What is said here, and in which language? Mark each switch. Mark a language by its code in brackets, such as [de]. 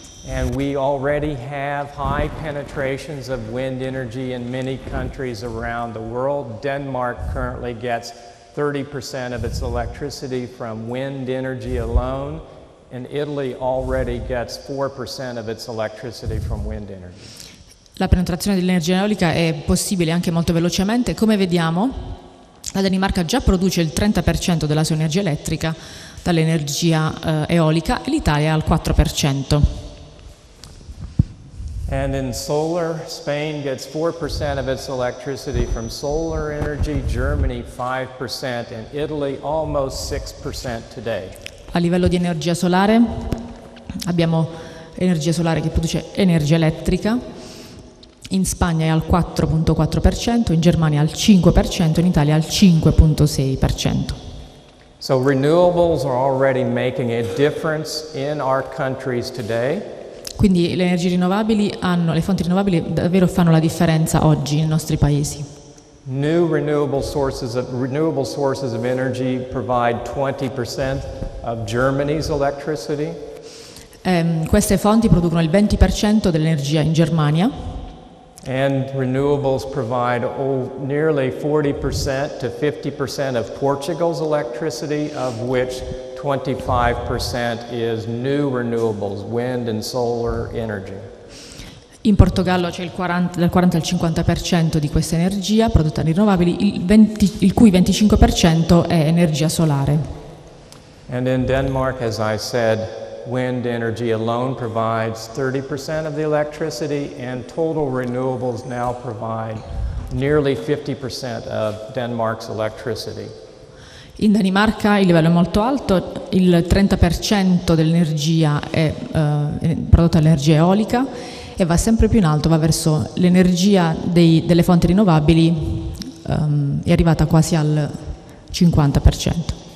[en] And we already have high penetrations of wind energy in many countries around the world. Denmark currently gets 30% of its electricity from wind energy alone. And Italy already gets 4% of its electricity from wind energy. [it] La penetrazione dell'energia eolica è possibile anche molto velocemente. Come vediamo, la Danimarca già produce il 30% della sua energia elettrica dall'energia eolica, e l'Italia al 4%. [en] And in solar, Spain gets 4% of its electricity from solar energy, Germany 5%, and Italy almost 6% today. [it] A livello di energia solare abbiamo energia solare che produce energia elettrica, in Spagna è al 4.4%, in Germania al 5%, in Italia al 5.6%. [en] So renewables are already making a difference in our countries today. [it] Quindi le fonti rinnovabili davvero fanno la differenza oggi nei nostri paesi. [en] New renewable sources of energy provide 20% of Germany's electricity. [it] Queste fonti producono il 20% dell'energia in Germania. [en] And renewables provide nearly 40% to 50% of Portugal's electricity, of which 25% is new renewables, wind and solar energy. [it] In Portogallo c'è dal 40 al 50% di questa energia prodotta rinnovabili, il cui 25% è energia solare. [en] And in Denmark, as I said, wind energy alone provides 30% of the electricity, and total renewables now provide nearly 50% of Denmark's electricity. [it] In Danimarca il livello è molto alto, il 30% dell'energia è prodotta dall'energia eolica, e va sempre più in alto, va verso l'energia delle fonti rinnovabili, è arrivata quasi al 50%.